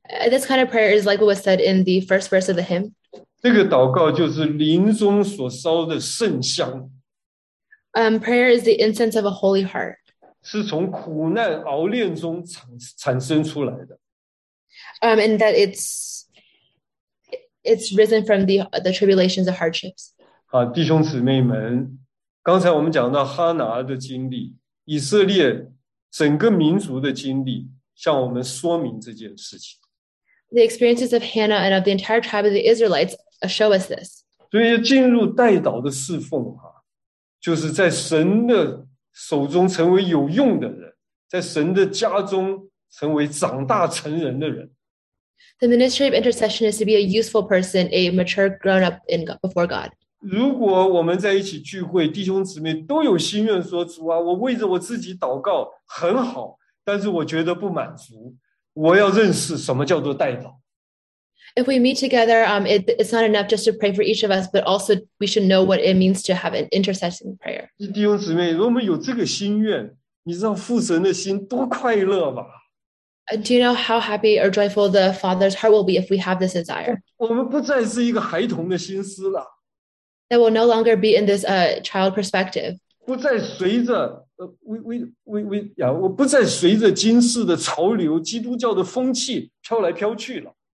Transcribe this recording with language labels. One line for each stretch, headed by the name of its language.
English: This kind of prayer is like what was said in the first verse of the hymn.
Chinese: 这个祷告就是灵中所烧的圣香。
English: Prayer is the incense of a holy heart.
Chinese: 是从苦难熬炼中产生出来的。
English: And that it's risen from the tribulations and hardships.
Chinese: 好，弟兄姊妹们，刚才我们讲到哈拿的经历，以色列整个民族的经历，向我们说明这件事情。
English: The experiences of Hannah and of the entire tribe of the Israelites show us this.
Chinese: 所以进入代祷的侍奉，就是在神的手中成为有用的人，在神的家中成为长大成人的人。
English: The ministry of intercession is to be a useful person, a mature grown up in God, before God.
Chinese: 如果我们在一起聚会，弟兄姊妹都有心愿说，主啊，我为着我自己祷告很好，但是我觉得不满足，我要认识什么叫做代祷。
English: If we meet together, it's not enough just to pray for each of us, but also we should know what it means to have an intercessing prayer.
Chinese: 弟兄姊妹，如果我们有这个心愿，你知道父神的心多快乐吧。
English: And do you know how happy or joyful the Father's heart will be if we have this desire?
Chinese: 我们不再是一个孩童的心思了。
English: That will no longer be in this child perspective.
Chinese: 不再随着我不再随着今世的潮流、基督教的风气飘来飘去了。